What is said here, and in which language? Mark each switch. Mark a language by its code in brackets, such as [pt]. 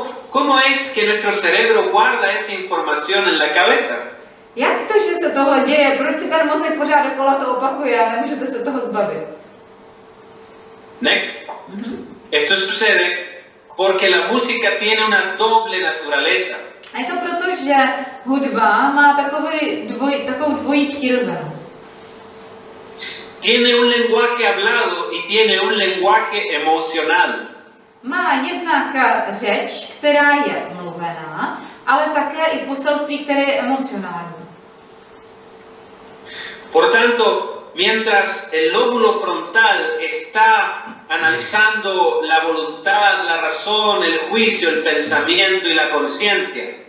[es] ¿Cómo es que nuestro cerebro guarda esa información en la cabeza? [cs] Jak to, že se tohle děje? Proč si ten mozek pořád dokola to opakuje a nemůžete se toho zbavit? [en] Next. [es] Esto sucede porque la música tiene una doble naturaleza. [cs] A je to proto, že hudba má takovou dvojí přirozenost. [es] Tiene un lenguaje hablado y tiene un lenguaje emocional. [cs] Má jednak řeč, která je mluvená, ale také i poselství, které je emocionální. [es] Por tanto, mientras el lóbulo frontal está analizando la voluntad, la razón, el juicio, el pensamiento y la conciencia.